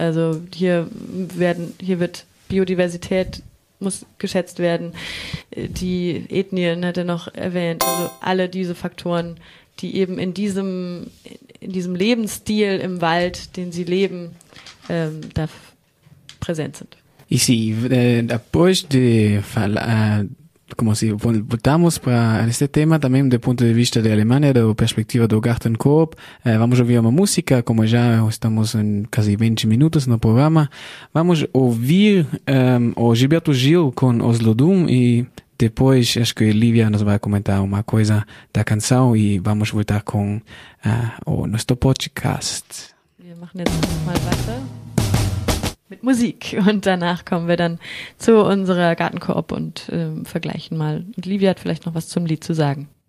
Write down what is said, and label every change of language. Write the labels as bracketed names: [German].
[German] Also hier wird Biodiversität muss geschätzt werden. Die Ethnien hat er noch erwähnt, also alle diese Faktoren, die eben in diesem Lebensstil im Wald, den sie leben, da präsent sind. [Spanish] Y sí, después de hablar, [Portuguese] como si voltamos para este tema, también [Spanish] de punto de vista [Portuguese] de Alemania, de perspectiva do Garten Coop, vamos ouvir uma música, como já estamos em casi 20 minutos no programa, vamos ouvir o Gilberto Gil com Oslo Doom e depois, acho que a Lívia nos vai comentar uma coisa da canção e vamos voltar com o nosso podcast. [German] Wir machen jetzt mal weiter mit Musik und danach kommen wir dann zu unserer Gartenkoop und vergleichen mal. Und Lívia hat vielleicht noch was zum Lied zu sagen.